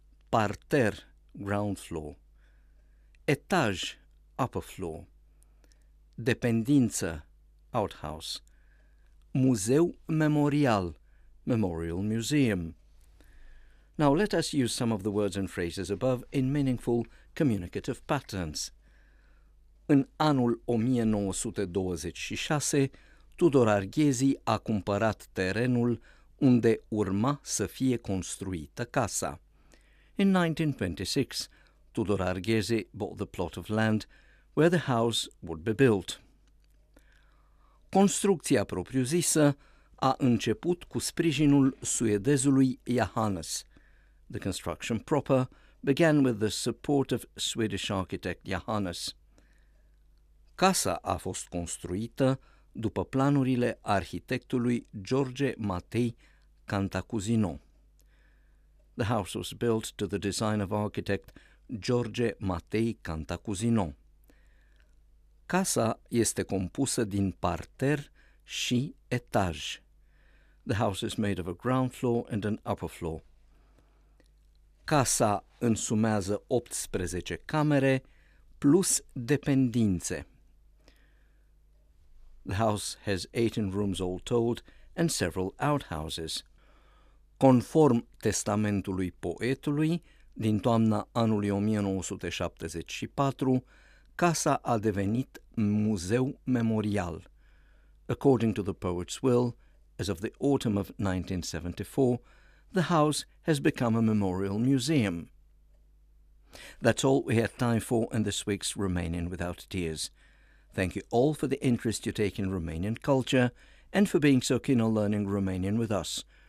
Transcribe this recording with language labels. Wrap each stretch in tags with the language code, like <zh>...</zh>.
<en>Parterre, ground floor. Etage, upper floor. Dependință, outhouse.</en> <ro>Muzeu memorial,</ro> <en>memorial museum. Now let us use some of the words and phrases above in meaningful communicative patterns.</en> <ro>În anul 1926, Tudor Arghezi a cumpărat terenul unde urma să fie construită casa.</ro> <en>In 1926, Tudor Arghezi bought the plot of land where the house would be built.</en> <ro>Construcția propriu-zisă a început cu sprijinul suedezului Johannes.</ro> <en>The construction proper began with the support of Swedish architect Johannes.</en> <ro>Casa a fost construită după planurile arhitectului George Matei Cantacuzino.</ro> <en>The house was built to the design of architect George Matei Cantacuzino.</en> <ro>Casa este compusă din parter și etaj.</ro> <en>The house is made of a ground floor and an upper floor.</en> <ro>Casa însumează 18 camere plus dependințe.</ro> <en>The house has 18 rooms all told and several outhouses.</en> <ro>Conform testamentului poetului, din toamna anului 1974, casa a devenit muzeu memorial.</ro> <en>According to the poet's will, as of the autumn of 1974, the house has become a memorial museum. That's all we had time for in this week's Romanian Without Tears. Thank you all for the interest you take in Romanian culture and for being so keen on learning Romanian with us.</en>